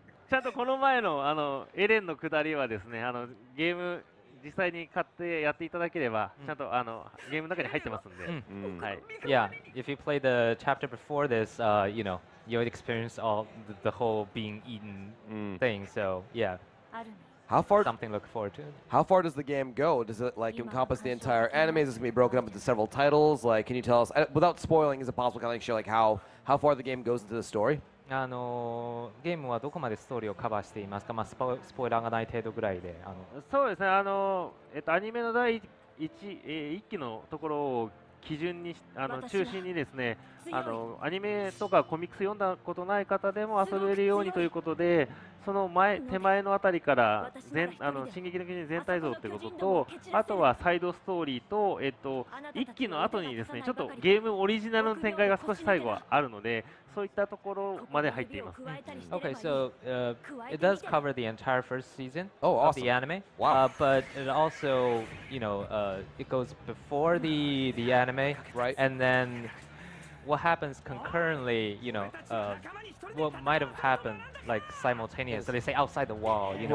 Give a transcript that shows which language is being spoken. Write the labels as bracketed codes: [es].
[ja] ちゃんとこの前 の, あのエレンの下りはですねあのゲーム実際に買ってやっていただければ、mm. ちゃんとあのゲームの中に入ってますんで、 mm. [en] はい、Yeah, if you play the chapter before this, you knowYou'll experience all the whole being eaten thing. So yeah, how far something look forward to? How far does the game go? Does it like encompass the entire anime? Is it gonna be broken up into several titles? Like, can you tell us without spoiling? Is it possible to kind of show like how far the game goes into the story? [ja] あのゲームはどこまでストーリーをカバーしていますか？まあスポイラーがない程度ぐらいで、あのそうですね。あのアニメの第一期のところを基準にあの中心にですねあのアニメとかコミックス読んだことない方でも遊べるようにということでその前手前のあたりから全あの進撃の巨人全体像ということとあとはサイドストーリーと一期の後にですねちょっとゲームオリジナルの展開が少し最後はあるのでそういったところまで入っています。 [en] Okay, so it does cover the entire first season of the anime. Wow. But it also, you know, it goes before the anime, right? And then what happens concurrently, you know, what might have happened like simultaneously, they say outside the wall, you know,